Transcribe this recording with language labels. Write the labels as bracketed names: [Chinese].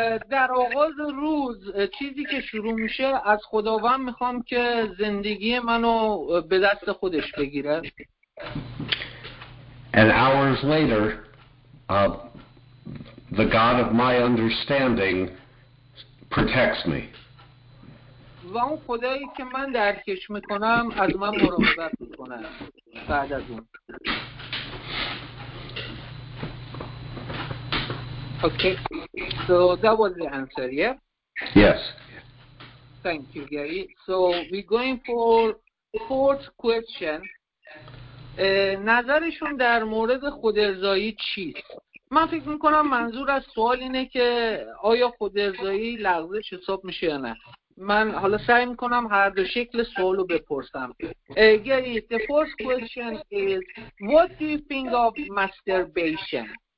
[Persian] در آغاز روز چیزی که شروع میشه از خداوند میخوام که زندگی منو به دست خودش بگیره. [English] And hours later, the God of my understanding protects me. [Persian] و اون خدایی که من درکش میکنم از من مراقبت میکنه بعد از اون. [English] Okay, so that was the answer, yeah? Yes. Thank you, Gary. So we're going for fourth question. [Persian] نظرشون در مورد خودارضایی چیست؟ من فکر میکنم منظور از سوال اینه که آیا خودارضایی لغزش حساب میشه یا نه؟ من حالا سعی میکنم هر دو شکل سوال رو بپرسم. [English] Gary, the first question is, what do you think of masturbation?